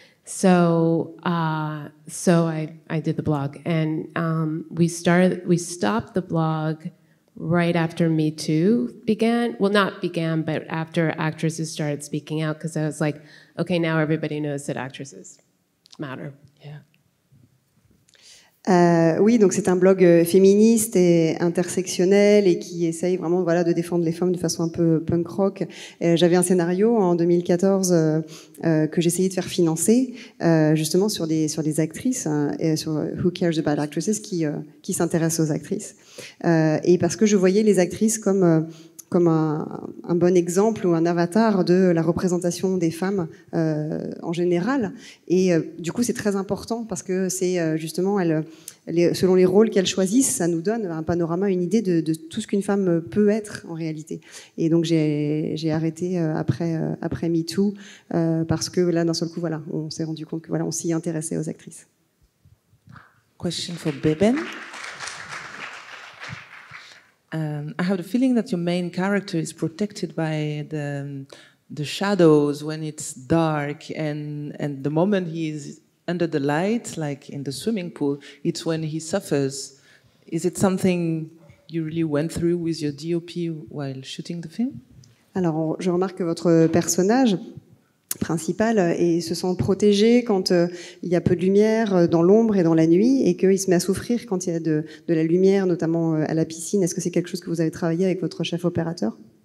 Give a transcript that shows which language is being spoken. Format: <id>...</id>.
<en>So I did the blog, and we stopped the blog right after Me Too began. Well, not began, but after actresses started speaking out, because I was like, okay, now everybody knows that actresses matter.</en> <fr>Oui, donc c'est un blog féministe et intersectionnel et qui essaye vraiment de défendre les femmes de façon un peu punk rock. J'avais un scénario en 2014 que j'essayais de faire financer justement sur des actrices, hein, sur Who Cares About Actresses, qui s'intéressent aux actrices. Et parce que je voyais les actrices comme un bon exemple ou un avatar de la représentation des femmes en général. Et du coup, c'est très important parce que c'est justement, selon les rôles qu'elles choisissent, ça nous donne un panorama, une idée de tout ce qu'une femme peut être en réalité. Et donc, j'ai arrêté après Me Too parce que là, d'un seul coup, on s'est rendu compte que on s'y intéressait aux actrices.</fr> <en>Question for Beben. I have the feeling that your main character is protected by the shadows when it's dark, and the moment he is under the light, like in the swimming pool, it's when he suffers. Is it something you really went through with your DOP while shooting the film?</en> <fr>Alors, je remarque que votre personnage principal et se sent protégé quand il y a peu de lumière dans l'ombre et dans la nuit, et qu'il se met à souffrir quand il y a de la lumière, notamment à la piscine. Est-ce que c'est quelque chose que vous avez travaillé avec votre chef opérateur?</fr>